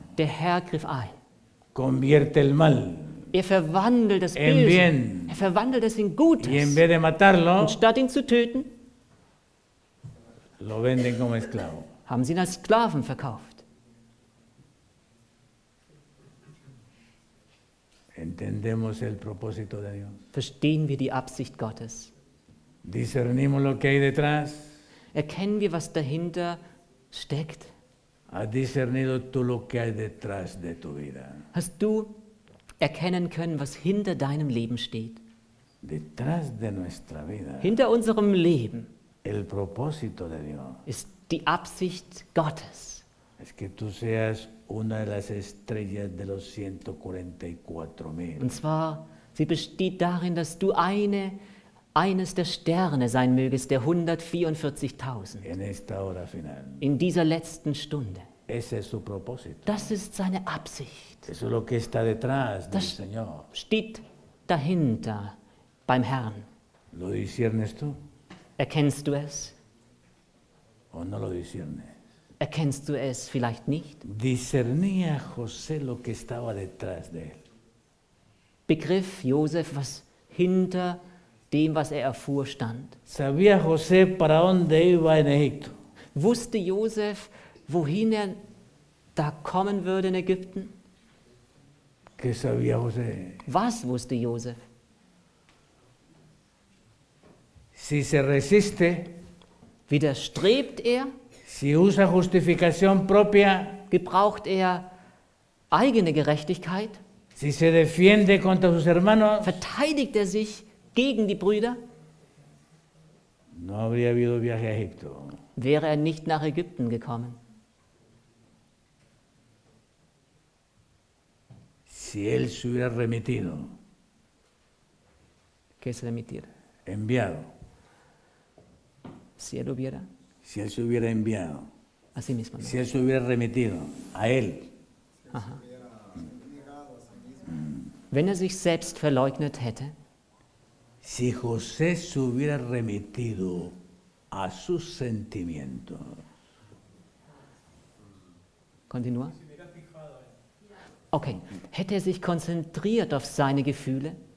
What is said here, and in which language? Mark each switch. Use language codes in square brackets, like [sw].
[de] Der Herr griff ein. [es] Convierte el mal. [de] Er verwandelt das [es] en [de] Böse. [es] Bien. [de] Er verwandelt es in Gutes. [es] Y en vez de matarlo, [de] und statt ihn zu töten, [es] lo venden como esclavo. [de] Haben sie ihn als Sklaven verkauft. [es] Entendemos el propósito de Dios. [de] Verstehen wir die Absicht Gottes. [es] Discernimos lo que hay detrás. [de] Erkennen wir, was dahinter steckt. [es] ¿Has discernido tú lo que hay detrás de tu vida? [de] Hast du erkennen können, was hinter deinem Leben steht? [es] Detrás de nuestra vida. [de] Hinter unserem Leben. [es] El propósito de Dios. [de] Ist die Absicht Gottes. [es] Es que tú seas una de las estrellas de los 144.000. [de] Und zwar, sie besteht darin, dass du eines der Sterne sein mögest, der 144.000. [es] En esta hora final. [de] In dieser letzten Stunde. [es] Ese es su propósito. [de] Das ist seine Absicht. [es] Eso es lo que está detrás del Señor. [de] Das steht dahinter beim Herrn. [es] ¿Lo disiernes tú? [de] Erkennst du es? [es] ¿O no lo disiernes? [de] Erkennst du es vielleicht nicht? [es] Discernía José lo que estaba detrás de él. [de] Begriff Josef, was hinter dem, was er erfuhr, stand. [es] Sabía José para dónde iba en Egipto. [de] Wusste Josef, wohin er da kommen würde in Ägypten? [es] ¿Qué sabía José? [de] Was wusste Josef? [es] Si se resiste, [de] widerstrebt er? [es] Si usa justificación propia, [de] gebraucht er eigene Gerechtigkeit? [es] Si se defiende contra sus hermanos, [de] verteidigt er sich gegen die Brüder? [es] No habría habido viaje a Egipto. [de] Wäre er nicht nach Ägypten gekommen? [es] Si él se hubiera remitido, ¿qué es remitir? Enviado. Si él hubiera. Si él se hubiera enviado, a sí mismo, ¿no? Si él se hubiera remitido a él, [de] wenn er sich selbst verleugnet hätte, [es] si José se hubiera remitido a sus sentimientos, continúa, [de] okay, hätte er sich konzentriert auf seine Gefühle,